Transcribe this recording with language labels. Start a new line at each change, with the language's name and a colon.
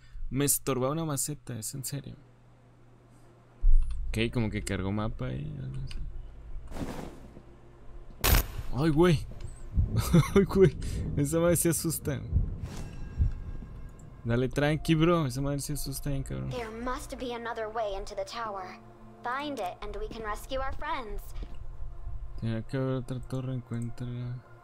Spanish: Me estorbaba una maceta, es en serio. Ok, como que cargó mapa y algo así. Ay, güey. Ay, güey. Esa madre se asusta. Dale tranqui, bro. Esa madre se asusta bien, cabrón.
English: There must be another way into the tower. Find it and we can rescue our friends.
Spanish: Tiene que haber otra torre, encuéntrala.